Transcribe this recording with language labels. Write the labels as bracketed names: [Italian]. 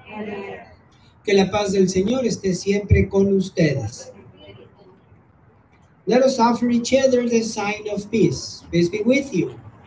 [English] Amen. [Spanish] Que la paz del Señor esté siempre con ustedes. [English] Let us offer each other the sign of peace. Peace be with you.